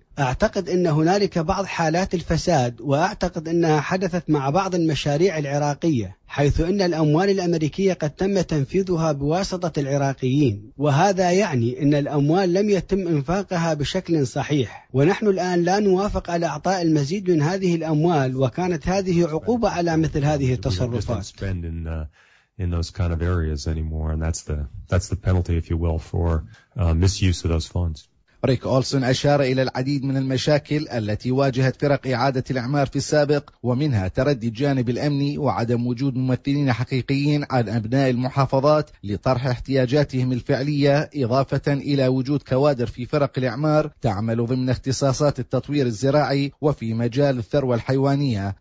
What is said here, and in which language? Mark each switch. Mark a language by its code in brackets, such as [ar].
[ar] أعتقد أن هنالك بعض حالات الفساد، وأعتقد أنها حدثت مع بعض المشاريع العراقية، حيث أن الأموال الأمريكية قد تم تنفيذها بواسطة العراقيين، وهذا يعني أن الأموال لم يتم إنفاقها بشكل صحيح، ونحن الآن لا نوافق على إعطاء المزيد من هذه الأموال، وكانت هذه عقوبة على مثل هذه التصرفات. [en] In those kind of areas anymore, and that's the penalty, if you will, for misuse of those funds. [ar] ريك أولسن أشار إلى العديد من المشاكل التي واجهت فرق إعادة الإعمار في السابق، ومنها تردي الجانب الأمني وعدم وجود ممثلين حقيقيين عن أبناء المحافظات لطرح احتياجاتهم الفعلية، إضافة إلى وجود كوادر في فرق الإعمار تعمل ضمن اختصاصات التطوير الزراعي وفي مجال الثروة الحيوانية.